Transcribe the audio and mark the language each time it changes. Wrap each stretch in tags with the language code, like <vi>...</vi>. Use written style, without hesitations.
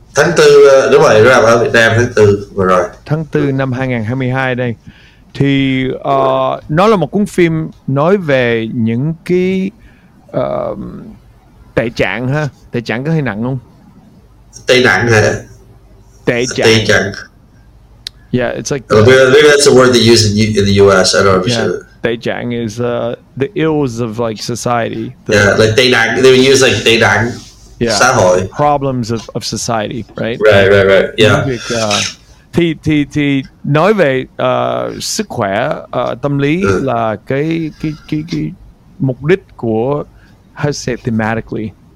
<vi>Tháng 4, đúng rồi, ra rạp ở Việt Nam tháng 4 vừa rồi. Tháng 4 năm 2022 đây. Thì nó là một cuốn phim nói về những cái tệ trạng ha. Tệ trạng có hơi nặng không? Tệ nặng hả? Tệ trạng. Tệ trạng.</vi> <en>Yeah, it's like... Maybe that's a word they use in the US. I don't know if you said it. Tệ trạng is the ills of like society. Like tệ nặng. They would use like tệ nặng. Yeah.</en> <vi>Xã hội.</vi> <en>Problems of society, right? Right. Yeah.</en> <vi>Thì nói về sức khỏe tâm lý là cái mục đích của,</vi> <en>how to say thematically,</en>